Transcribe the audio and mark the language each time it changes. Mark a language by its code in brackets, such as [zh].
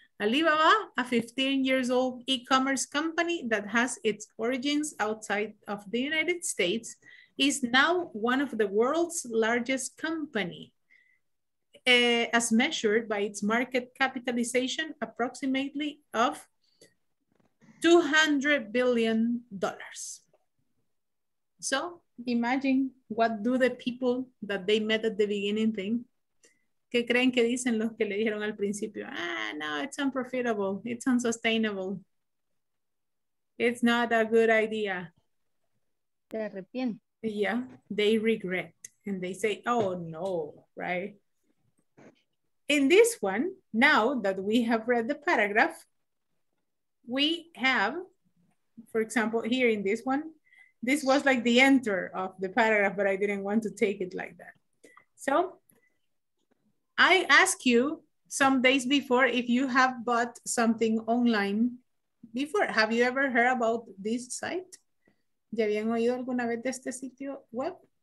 [en] Alibaba, a 15 years old e-commerce company that has its origins outside of the United States, is now one of the world's largest company, as measured by its market capitalization, approximately of $200 billion. So imagine, what do the people that they met at the beginning think? [es] ¿Qué creen que dicen los que le dijeron al principio? [en] Ah, no, it's unprofitable, it's unsustainable, it's not a good idea. [es] Se arrepiente. [en] Yeah, they regret and they say, oh no, right? In this one, now that we have read the paragraph, we have, for example, here in this one, this was like the enter of the paragraph, but I didn't want to take it like that. So I asked you some days before if you have bought something online before. Have you ever heard about this site? [es] ¿Ya habían oído alguna vez de este sitio web?